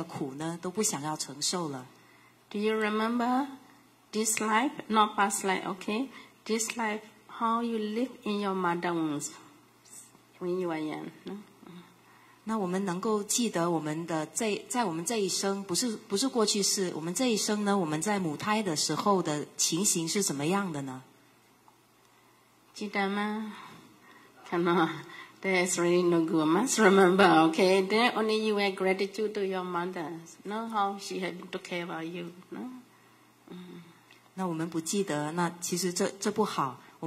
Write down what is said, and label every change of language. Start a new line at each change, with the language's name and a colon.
Chinese: 那凡是已经修到证得阿罗汉果，或者是一环果的这个圣者呢，他们有证件，证件他们就能够了解到说，投生生命是苦的，所以他不想要去到很多的这个生命，他连在投入母胎的这个苦呢都不想要承受了。
English: Do you remember this life, not past life? Okay, this life, how you live in your mother wounds when you are young? No?
Chinese: 那我们能够记得我们的在我们这一生不是过去式，我们这一生呢，我们在母胎的时候的情形是怎么样的呢？记得吗？
English: Cannot. That is really no good. Must remember, okay? Then only you have gratitude to your mother. Know how she had to care about you. No?
Chinese: 那我们不记得，那其实这不好。